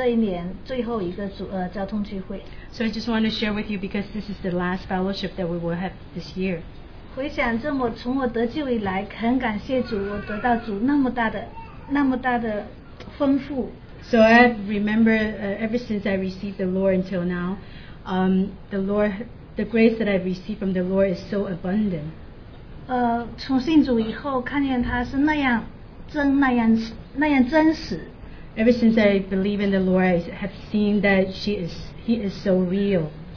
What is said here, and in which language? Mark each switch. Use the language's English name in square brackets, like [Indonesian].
[Chinese] 我今天想交通一点，今年是我们这一年最后一个组交通聚会。 [English] So I just want to share with you because this is the last fellowship that we will have this year. [Chinese] 回想这么从我得救以来，很感谢主，我得到主那么大的丰富。 [English] So I remember ever since I received the Lord until now, the grace that I've received from the Lord is so abundant. [Chinese] 从信主以后，看见他是那样真，那样真实。 [English] Ever since I believe in the Lord, I have seen that He is so real.